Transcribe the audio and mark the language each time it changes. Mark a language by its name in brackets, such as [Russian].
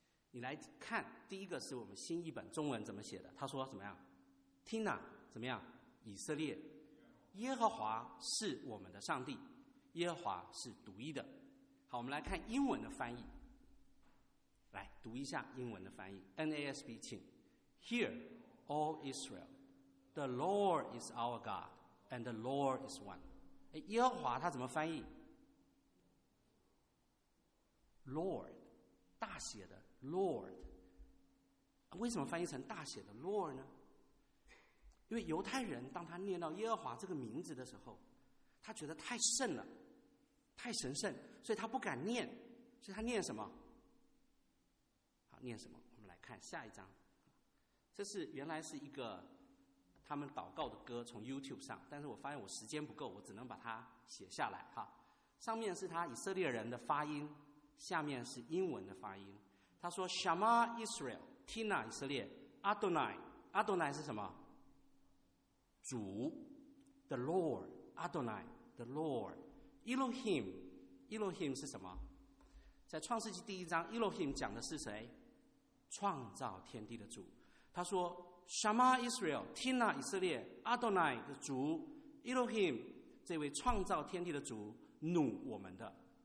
[Chinese] 你来看，第一个是我们新译本中文怎么写的，他说怎么样？听啊，怎么样？以色列，耶和华是我们的上帝，耶和华是独一的。好，我们来看英文的翻译，来读一下英文的翻译。 [English] NASB 请： Hear, O Israel, the Lord is our God, and the Lord is one。 [Chinese] 耶和华他怎么翻译？ Lord， 大写的Lord。为什么翻译成大写的 Lord 呢？因为犹太人当他念到耶和华这个名字的时候，他觉得太圣了，太神圣，所以他不敢念，所以他念什么？好，念什么？我们来看下一章。这是原来是一个他们祷告的歌，从 YouTube 上，但是我发现我时间不够，我只能把它写下来哈。上面是他以色列人的发音，下面是英文的发音。他说 Shama Israel， 听啊以色列， Adonai， Adonai 是什么？主， The Lord， Adonai， The Lord， Elohim， Elohim 是什么？在创世纪第一章， Elohim 讲的是谁？创造天地的主。他说 Shama Israel， 听啊以色列， Adonai 的主， Elohim 这位创造天地的主怒我们的。